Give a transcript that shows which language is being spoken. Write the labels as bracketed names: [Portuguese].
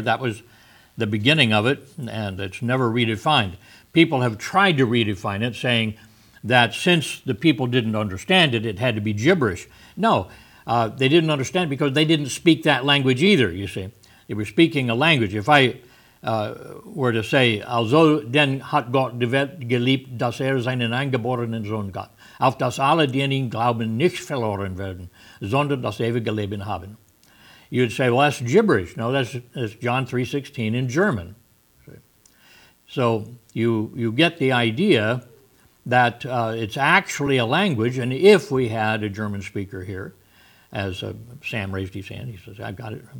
[English] That was the beginning of it, and it's never redefined. People have tried to redefine it, saying that since the people didn't understand it, it had to be gibberish. No, they didn't understand because they didn't speak that language either, you see. They were speaking a language. If I were to say, [German] also denn hat Gott die Welt geliebt, dass seinen eingeborenen Sohn gab, auf dass alle, die in ihn glauben, nicht verloren werden, sondern das ewige Leben haben. [English] You'd say, well, that's gibberish. No, that's John 3:16 in German. So you get the idea that it's actually a language, and if we had a German speaker here, as Sam raised his hand, he says, I've got it.